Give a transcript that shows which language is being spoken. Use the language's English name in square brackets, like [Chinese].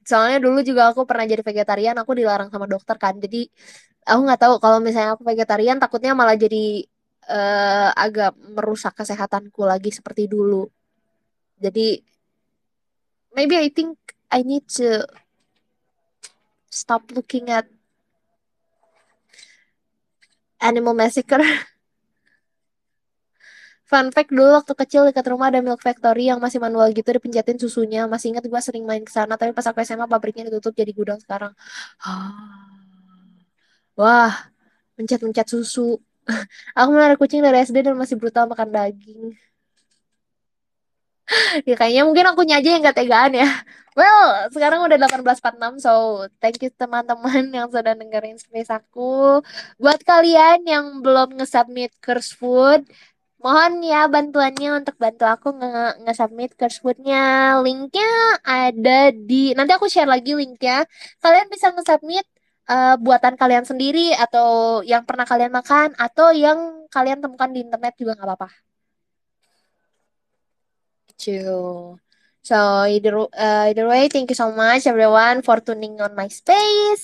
[Indonesian] Soalnya dulu juga aku pernah jadi vegetarian, aku dilarang sama dokter kan. Jadi aku nggak tahu kalau misalnya aku vegetarian, takutnya malah jadi agak merusak kesehatanku lagi seperti dulu. Jadi [English] maybe I think I need to stop looking at animal massacre. Fun fact, [Indonesian] dulu waktu kecil dekat rumah ada milk factory yang masih manual gitu, dipencetin susunya. Masih ingat gue sering main ke sana, tapi pas aku SMA pabriknya ditutup jadi gudang sekarang. Wah, mencet-mencet susu. Aku melihara kucing dari SD dan masih brutal makan daging. Ya, kayaknya mungkin akunya aja yang gak tegaan ya. Well, sekarang udah 18.46, [English] so thank you [Indonesian] teman-teman yang sudah dengerin space aku. Buat kalian yang belum nge-submit curse food, mohon ya bantuannya untuk bantu aku nge-submit curse foodnya. Linknya ada di, nanti aku share lagi linknya. Kalian bisa nge-submit buatan kalian sendiri atau yang pernah kalian makan atau yang kalian temukan di internet juga gak apa-apa. [English] So either way, thank you so much everyone for tuning on my space.